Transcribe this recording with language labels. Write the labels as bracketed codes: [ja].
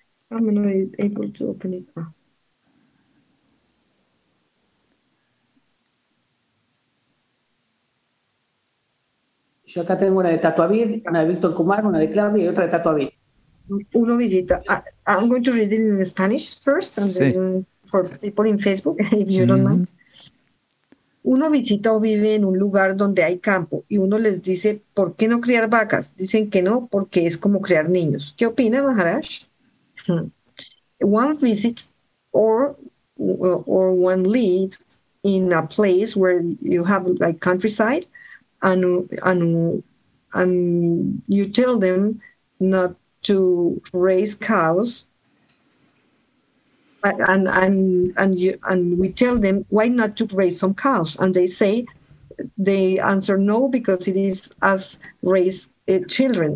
[en] I'm not able to open it now. [es] Yo acá tengo una de Tatuavid, una de Víctor Kumar, una de Claudia y otra de Tatuavid. Uno visita. [en] I'm going to read it in Spanish first and [es] Sí. [en] then for people in Facebook, if you don't mind. [es] Uno visita o vive en un lugar donde hay campo y uno les dice, ¿por qué no criar vacas? Dicen que no, porque es como criar niños. ¿Qué opina, Maharaj? [en] One visits or one lives in a place where you have like countryside and you tell them not to raise cows, and we tell them why not to raise some cows, and they say, they answer no, because it is us raise children.